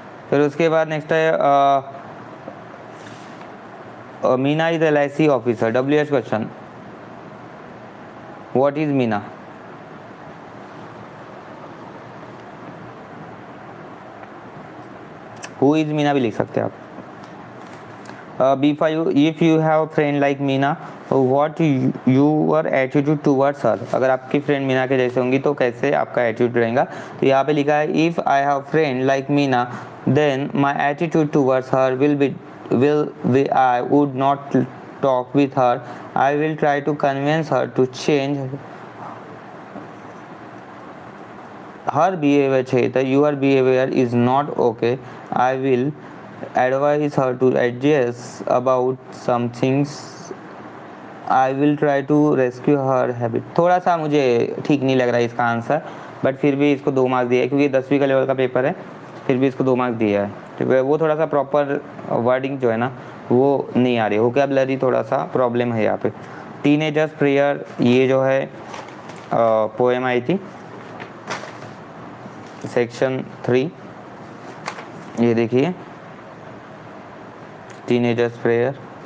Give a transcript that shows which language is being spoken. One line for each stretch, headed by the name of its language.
Hindi: फिर उसके बाद नेक्स्ट है
English: Meena is LIC officer, WH question, what is Meena. Who is Meena
Hindi: भी लिख सकते हैं आप.
English: If you have a friend like Meena, what your attitude towards her?
Hindi: अगर आपकी फ्रेंड मीना के जैसे होंगी तो कैसे आपका एटीट्यूड रहेगा. तो यहाँ पे लिखा है
English: If I have friend like Meena then my attitude towards her will be I would not talk with her, I will try to convince her to change her behaviour.
Hindi: चाहिए
English: Your behaviour is not okay, I will advise her to adjust about some things. I will try to rescue her habit.
Hindi: थोड़ा सा मुझे ठीक नहीं लग रहा है इसका आंसर, बट फिर भी इसको दो मार्क्स दिया है क्योंकि 10वीं का लेवल का पेपर है, फिर भी इसको दो मार्क्स दिया है. ठीक है, वो थोड़ा सा प्रॉपर वर्डिंग जो है ना वो नहीं आ रही, हो क्या ब्लरी, थोड़ा सा प्रॉब्लम है यहाँ पे. टीनेजर्स प्रेयर, ये जो है पोएम आई थी सेक्शन 3, ये देखिए टीनेजर्स प्रेयर.